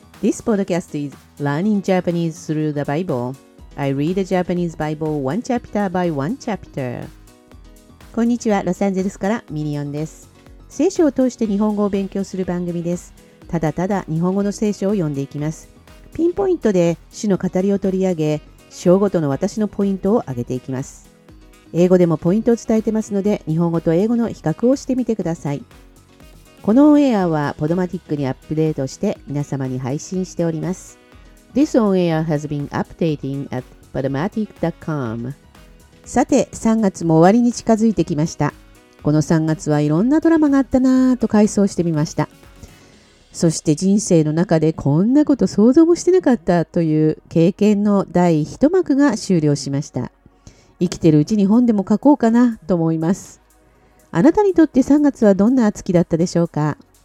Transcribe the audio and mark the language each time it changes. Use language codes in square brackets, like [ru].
[en] This podcast is learning Japanese through the Bible. I read the Japanese Bible one chapter by one chapter. [ja] こんにちは、ロサンゼルスからミリオンです。聖書を通して日本語を勉強する番組です。ただただ日本語の聖書を読んでいきます。ピンポイントで主の語りを取り上げ、章ごとの私のポイントを挙げていきます。英語でもポイントを伝えてますので、日本語と英語の比較をしてみてください。このオンエアはポドマティックにアップデートして皆様に配信しております。 [en] This on air has been updating at podomatic.com。 [ja] さて、3月も終わりに近づいてきました。この3月はいろんなドラマがあったなぁと回想してみました。そして人生の中でこんなこと想像もしてなかったという経験の第一幕が終了しました。生きてるうちに本でも書こうかなと思います。あなたにとって3月はどんな月だったでしょうか。